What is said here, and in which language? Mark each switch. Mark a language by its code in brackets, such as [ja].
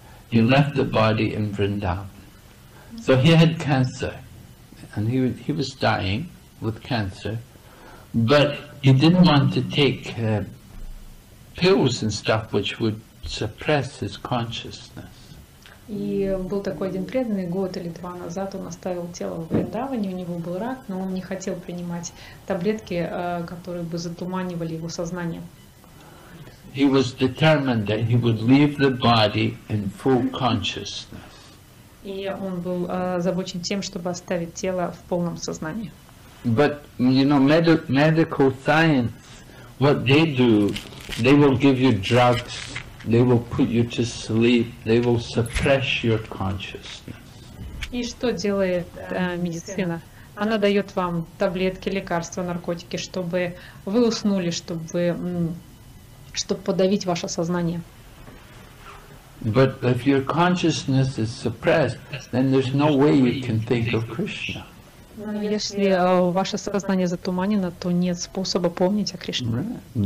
[en] He left the body in Vrindavan. So he had cancer, and he was dying with cancer, but he didn't want to take pills and stuff which would suppress his consciousness. [ru] И был такой один преданный, год или два назад он оставил тело в Вриндаване, у него был рак, но он не хотел принимать таблетки, которые бы затуманивали его сознание. [en] He was determined that he would leave the body in full consciousness. [ru] И он был озабочен тем, чтобы оставить тело в полном сознании. [en] But, you know, medical science, what they do, they will give you drugs. They will put you to sleep. They will suppress your consciousness. [ru] И что делает медицина? Она дает вам таблетки, лекарства, наркотики, чтобы вы уснули, чтобы подавить ваше сознание. [en] But if your consciousness is suppressed, then there's no way you can think of Krishna. [ru] Если ваше сознание затуманено, то нет способа помнить о Кришне.